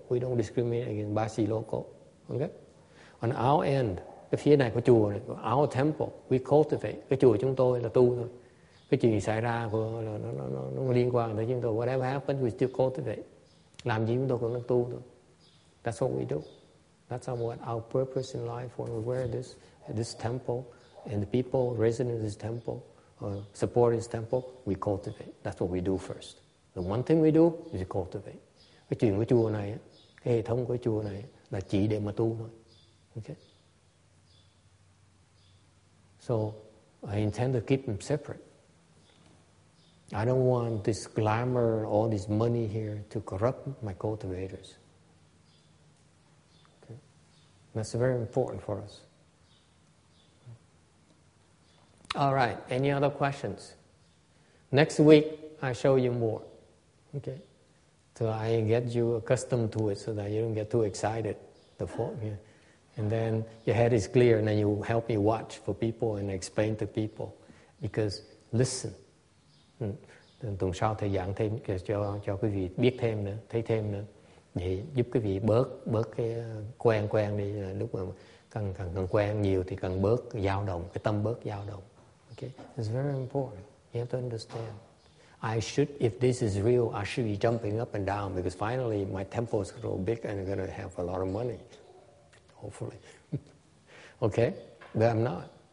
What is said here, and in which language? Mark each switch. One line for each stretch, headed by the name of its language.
English: We don't discriminate against Basi local. Okay. On our end,
Vietnamese: cái phía này của chùa này,
English: our temple, we cultivate.
Vietnamese: Cái chùa chúng tôi là tu thôi. Cái chuyện xảy ra của nó liên quan tới chúng tôi.
English: Whatever happens, we still cultivate.
Vietnamese: Làm gì chúng tôi cũng đang tu thôi.
English: That's what we do. That's what our purpose in life, when we wear this temple, and the people resident in this temple, support this temple, we cultivate. That's what we do first. The one thing we do is cultivate.
Vietnamese: Cái chuyện của chùa này, cái hệ thống của chùa này là chỉ để mà tu thôi.
English: Okay? So, I intend to keep them separate. I don't want this glamour, all this money here to corrupt my cultivators. Okay. That's very important for us. All right, any other questions? Next week, I show you more. Okay, so I get you accustomed to it so that you don't get too excited. The form, yeah. And then your head is clear and then you help me watch for people and explain to people. Because listen.
Vietnamese: Tuần sau thầy giảng thêm cho quý vị biết thêm nữa, thấy thêm nữa, để giúp quý vị bớt cái quen đi, lúc mà cần quen nhiều thì cần bớt dao động, cái tâm bớt dao động.
English: Okay, it's very important, you have to understand. If this is real, I should be jumping up and down, because finally my temple is grow big and I'm going to have a lot of money, hopefully. Okay, but I'm not.